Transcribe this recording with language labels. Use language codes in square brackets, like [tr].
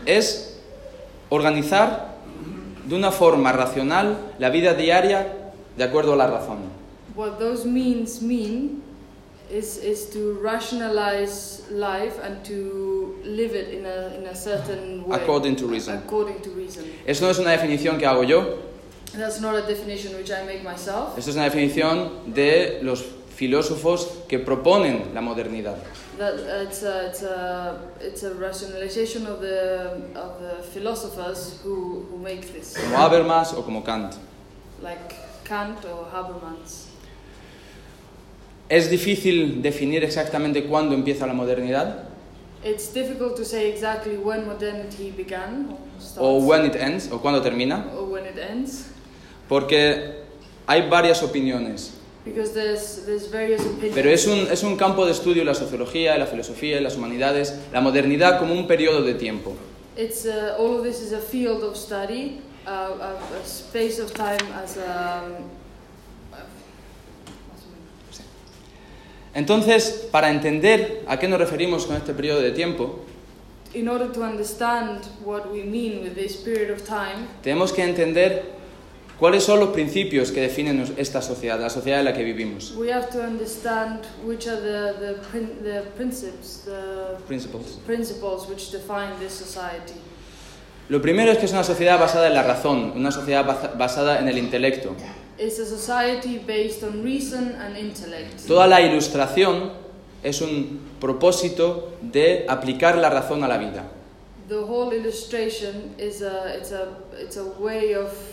[es] Es organizar de una forma racional la vida diaria de acuerdo a la razón. [en] What those means mean is to rationalize life and to live it in a certain way. According to reason. [es] Eso no es una definición que hago yo. [en] That's not a definition which I make myself. [es] Esto es una definición de los filósofos que proponen la modernidad. [en] It's a rationalization of the philosophers who make this. [es] Como Habermas o como Kant. [en] Like Kant or Habermas. [es] Es difícil definir exactamente cuándo empieza la modernidad. [en] It's difficult to say exactly when modernity began or starts. O when it ends, [es] o cuándo termina. [en] Or when it ends. [es] Porque hay varias opiniones. [en] Because there's various opinions. [es] Pero es un campo de estudio la sociología, la filosofía, las humanidades, la modernidad como un periodo de tiempo. [en] It's all of this is a field of study, a space of time as a [es] Entonces, para entender a qué nos referimos con este periodo de tiempo, [en] in order to understand what we mean with this period of time, [es] tenemos que entender cuáles son los principios que definen esta sociedad, la sociedad en la que vivimos. [en] We have to understand which are the principles, the principles which define this society. [es] Lo primero es que es una sociedad basada en la razón, una sociedad basada en el intelecto. [en] It's a society based on reason and intellect. [es] Toda la ilustración es un propósito de aplicar la razón a la vida. [en] The whole illustration is it's a way of